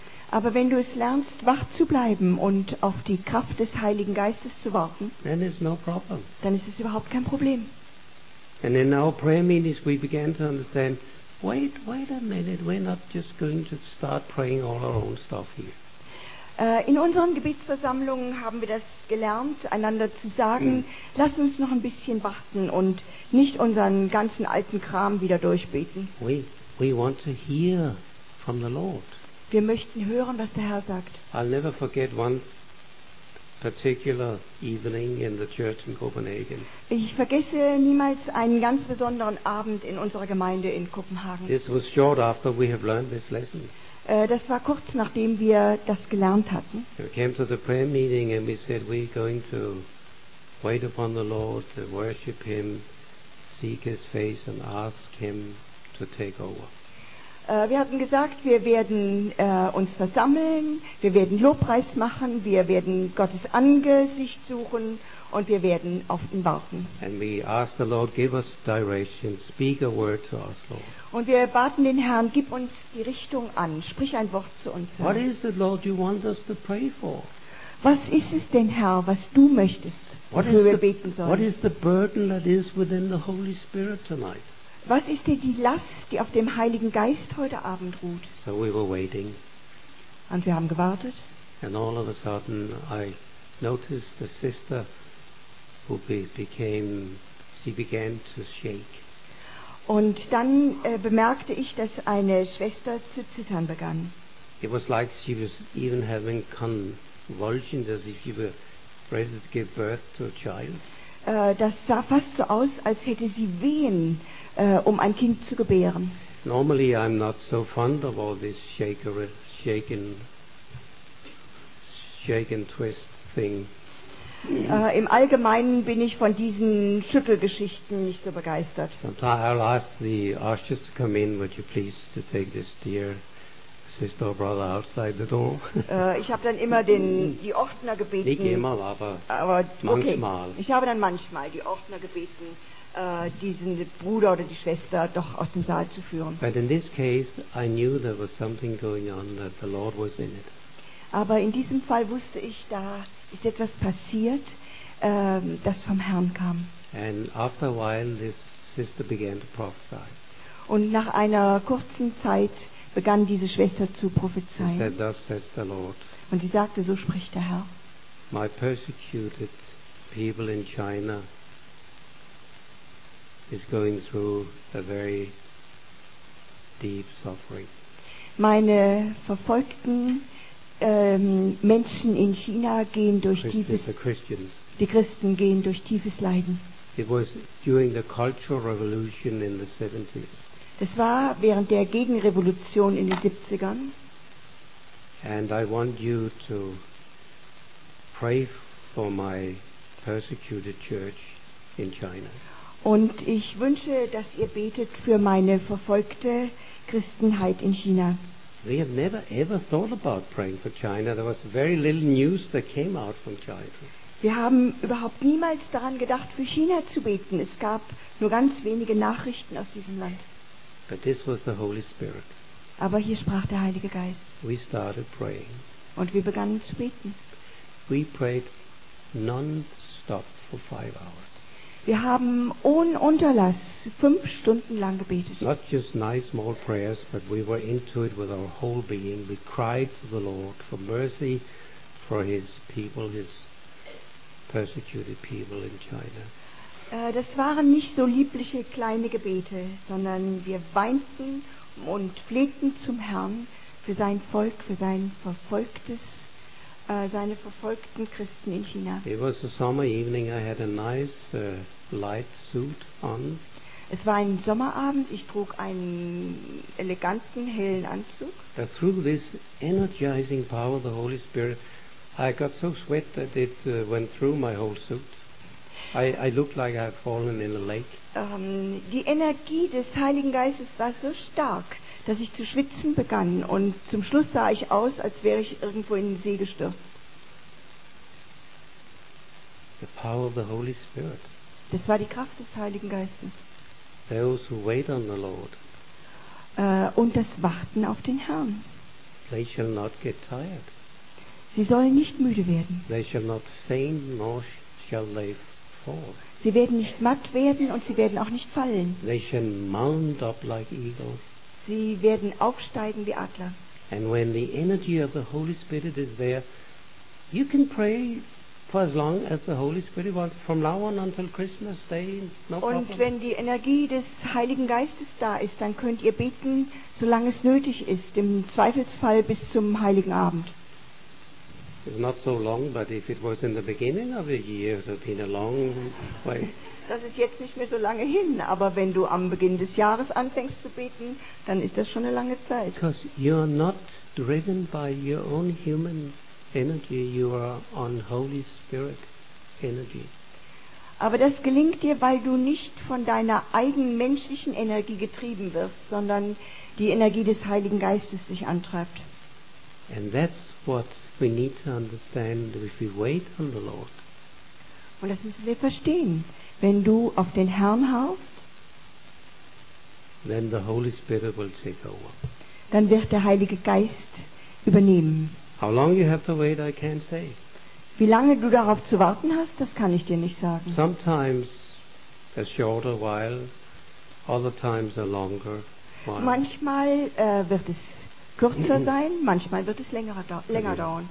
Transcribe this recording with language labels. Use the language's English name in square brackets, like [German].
[German] Aber wenn du es lernst, wach zu bleiben und auf die Kraft des Heiligen Geistes zu warten, [English] then it's no problem. [German] Dann ist es überhaupt kein Problem. [English] And in our prayer meetings we began to understand, wait a minute, we're not just going to start praying all our own stuff here. [German] In unseren Gebetsversammlungen haben wir das gelernt, einander zu sagen, lass uns noch ein bisschen warten und nicht unseren ganzen alten Kram wieder durchbeten. [English] We want to hear from the Lord. [German] Wir möchten hören, was der Herr sagt. [English] I'll never forget one particular evening in the church in Copenhagen. [German] Ich vergesse niemals einen ganz besonderen Abend in unserer Gemeinde in Kopenhagen. [English] This was short after we have learned this lesson. [German] Das war kurz nachdem wir das gelernt hatten. [English] We came to the prayer meeting and we said we're going to wait upon the Lord, to worship Him, seek His face and ask Him to take over. [German] Wir hatten gesagt, wir werden uns versammeln, wir werden Lobpreis machen, wir werden Gottes Angesicht suchen und wir werden auf ihn warten. [English] And we asked the Lord, give us direction, speak a word to us, Lord. [German] Und wir baten den Herrn, gib uns die Richtung an, sprich ein Wort zu uns. [English] What is it, Lord, you want us to pray for? [German] Was ist es denn, Herr, was du möchtest, wofür wir beten sollen? [English] What is the burden that is within the Holy Spirit tonight? [German] Was ist denn die Last, die auf dem Heiligen Geist heute Abend ruht? [English] So we were waiting. [German] Und wir haben gewartet. [English] And all of a sudden I noticed a sister who began to shake. [German] Und dann bemerkte ich, dass eine Schwester zu zittern begann. [English] It was like she was even having convulsions, as if she were ready to give birth to a child. [German] Das sah fast so aus, als hätte sie Wehen, um ein Kind zu gebären. [English] Normally I'm not so fond of all this shaken twist thing. [German] Im Allgemeinen bin ich von diesen Schüttelgeschichten nicht so begeistert. [English] I'll ask the ushers to come in, would you please to take this dear sister or brother outside the door. [German] Ich habe dann immer die Ordner gebeten. Nicht immer, aber manchmal. Okay. Ich habe dann manchmal die Ordner gebeten, diesen Bruder oder die Schwester doch aus dem Saal zu führen. [English] But in this case, I knew there was something going on, that the Lord was in it. [German] Aber in diesem Fall wusste ich, da ist etwas passiert, das vom Herrn kam. [English] And after a while, this sister began to prophesy. [German] Und nach einer kurzen Zeit begann diese Schwester zu prophezeien. [English] She said, "Thus says the Lord." [German] Und sie sagte, so spricht der Herr. [English] My persecuted people in China is going through a very deep suffering. [German] Meine verfolgten Menschen in China gehen durch Christen gehen durch tiefes Leiden. [English] It was during the Cultural Revolution in the 70s. [German] Das war während der Gegenrevolution in den 70ern. [English] And I want you to pray for my persecuted church in China. [German] Und ich wünsche, dass ihr betet für meine verfolgte Christenheit in China. [English] We have never ever thought about praying for China. There was very little news that came out from China. [German] Wir haben überhaupt niemals daran gedacht, für China zu beten. Es gab nur ganz wenige Nachrichten aus diesem Land. [English] But this was the Holy Spirit. [German] Aber hier sprach der Heilige Geist. [English] We started praying. [German] Und wir begannen zu beten. [English] We prayed non-stop for 5 hours. [German] Wir haben ohne Unterlass 5 Stunden lang gebetet. [English] Not just nice small prayers, but we were into it with our whole being. We cried to the Lord for mercy, for his people, his persecuted people in China. [German] Das waren nicht so liebliche kleine Gebete, sondern wir weinten und flehten zum Herrn für sein Volk, für sein verfolgtes, seine verfolgten Christen in China. [English] It was a summer evening. I had a nice light suit on. [German] Es war ein Sommerabend. Ich trug einen eleganten hellen Anzug. [English] Through this energizing power of the Holy Spirit, I got so sweat that it went through my whole suit. I looked like I had fallen in a lake. [German] Die Energie des Heiligen Geistes war so stark, dass ich zu schwitzen begann, und zum Schluss sah ich aus, als wäre ich irgendwo in den See gestürzt. [English] The power of the Holy Spirit. [German] Das war die Kraft des Heiligen Geistes. [English] Those who wait on the Lord. [German] Und das Warten auf den Herrn. [English] They shall not get tired. [German] Sie sollen nicht müde werden. [English] They shall not faint, nor shall they fall. [German] Sie werden nicht matt werden und sie werden auch nicht fallen. [English] They shall mount up like eagles. [German] Sie werden aufsteigen wie Adler. [English] And when the energy of the Holy Spirit is there, you can pray for as long as the Holy Spirit wants, from now on until Christmas Day. No. [German] Und wenn die Energie des Heiligen Geistes da ist, dann könnt ihr beten, solange es nötig ist, im Zweifelsfall bis zum Heiligen Abend. [English] It's not so long, but if it was in the beginning of a year, it would have been a long way. [German] Das ist jetzt nicht mehr so lange hin, aber wenn du am Beginn des Jahres anfängst zu beten, dann ist das schon eine lange Zeit. [English] Because you are not driven by your own human energy, you are on Holy Spirit energy. [German] Aber das gelingt dir, weil du nicht von deiner eigenen menschlichen Energie getrieben wirst, sondern die Energie des Heiligen Geistes dich antreibt. [English] And that's what we need to understand if we wait on the Lord. [German] Und das müssen wir verstehen. Wenn du auf den Herrn haust, [English] then the Holy Spirit will take over. [German] Dann wird der Heilige Geist übernehmen. [English] How long you have to wait, I can't say. [German] Wie lange du darauf zu warten hast, das kann ich dir nicht sagen. [English] Sometimes a shorter while, other times a longer while. [German] Manchmal wird es kürzer sein, manchmal wird es länger dauern.